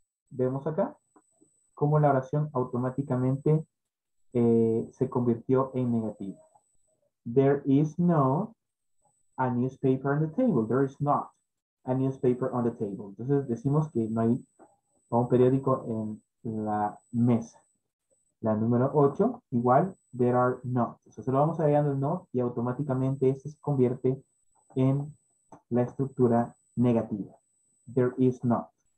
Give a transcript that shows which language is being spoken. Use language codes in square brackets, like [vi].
[es] Vemos acá cómo la oración automáticamente se convirtió en negativa. [en] There is no a newspaper on the table. There is not a newspaper on the table. [es] Entonces decimos que no hay un periódico en la mesa. La número 8, igual, there are not. O sea, se lo vamos agregando el not y automáticamente este se convierte en la estructura negativa. There is not.